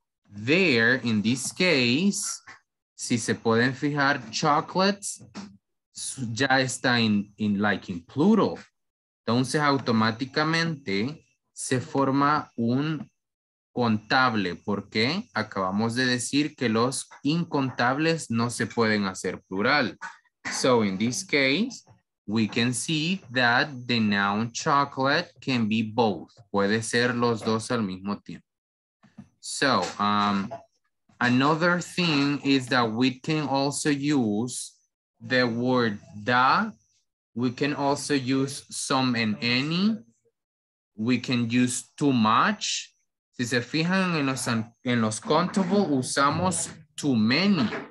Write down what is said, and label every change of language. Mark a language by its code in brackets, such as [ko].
[en] There, in this case, [es] si se pueden fijar, chocolates ya está [en] in plural. [es] Entonces, automáticamente se forma un contable. ¿Por qué? Acabamos de decir que los incontables no se pueden hacer plural. [en] So, in this case, we can see that the noun chocolate can be both. [es] Puede ser los dos al mismo tiempo. [en] So, another thing is that we can also use the word da. We can also use some and any. We can use too much. [es] Si se fijan en los [en] countable, usamos too many.